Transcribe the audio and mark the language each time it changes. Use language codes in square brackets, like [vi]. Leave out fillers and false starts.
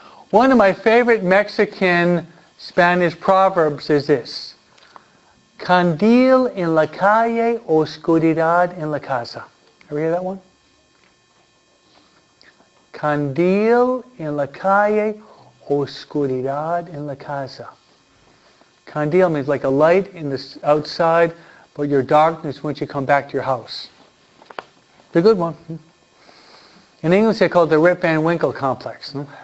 [en] One of my favorite Mexican-Spanish proverbs is this. [es] Candil en la calle, oscuridad en la casa. [en] Ever hear that one? [es] Candil en la calle, oscuridad en la casa. [en] Candil means like a light in the outside, but your darkness once you come back to your house. It's a good one. In English, they call it the Rip Van Winkle complex.